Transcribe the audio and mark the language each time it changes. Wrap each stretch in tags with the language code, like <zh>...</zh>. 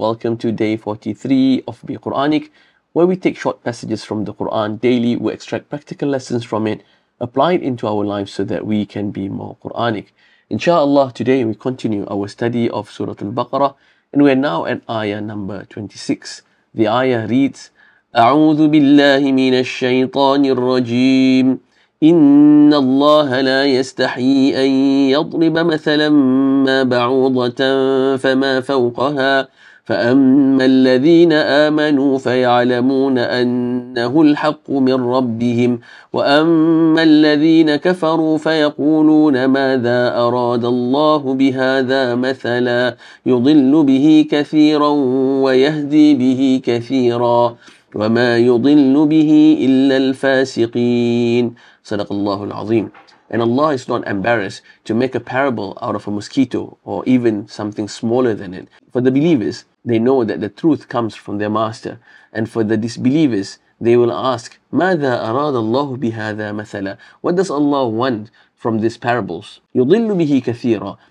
<en>Welcome to day 43 of Be Quranic, where we take short passages from the Quran daily, we extract practical lessons from it, apply it into our lives so that we can be more Quranic. Inshallah, today we continue our study of Surah Al-Baqarah, and we are now at Ayah number 26. The Ayah reads,</en> <ar>أعوذ بالله من الشيطان الرجيم إن الله لا يستحي أن يضرب مثلا ما بعوضة فما فوقها فأما الذين آمنوا فيعلمون أنه الحق من ربهم وأما الذين كفروا فيقولون ماذا أراد الله بهذا مثلا يضل به كثيرا ويهدي به كثيرا وَمَا يُضِلُّ بِهِ إِلَّا الْفَاسِقِينَ صَدَقَ اللَّهُ الْعَظِيمُ.</ar> <en>And Allah is not embarrassed to make a parable out of a mosquito or even something smaller than it. For the believers, they know that the truth comes from their master. And for the disbelievers, they will ask,</en> <ar>مَاذَا أَرَادَ اللَّهُ بِهَذَا مَثَلًا.</ar> <en>What does Allah want from these parables?</en> <ar>يُضِلُّ بِهِ كَثِيرًا.</ar>